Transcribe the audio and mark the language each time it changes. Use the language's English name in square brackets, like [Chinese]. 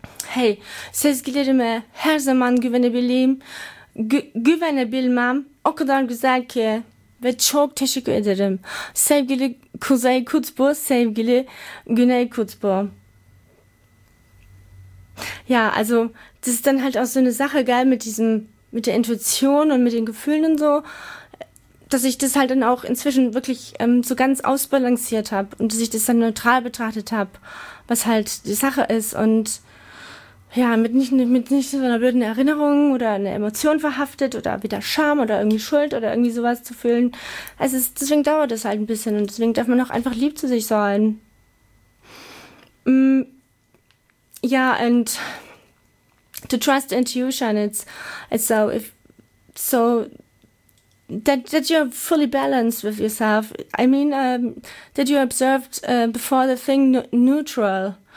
[Turkish] Hey, sevgilerime her zaman güvenebileyim, güvenebilmem o kadar güzel ki. Ve çok teşekkür ederim. Sevgili Kuzey Kutbu, sevgili Güney Kutbu. [German] Ja, also das ist dann halt auch so eine Sache, gell, mit der Intuition und mit den Gefühlen und so, dass ich das halt dann auch inzwischen wirklich so ganz ausbalanciert habe und dass ich das dann neutral betrachtet habe, was halt die Sache ist. Und ja, mit nicht so einer blöden Erinnerung oder einer Emotion verhaftet oder wieder Scham oder irgendwie Schuld oder irgendwie sowas zu fühlen. Also es ist, deswegen dauert es halt ein bisschen und deswegen darf man auch einfach lieb zu sich sein. [English] Ja, and to trust intuition, it's so that you're fully balanced with yourself. I mean, that you observed before the thing neutral.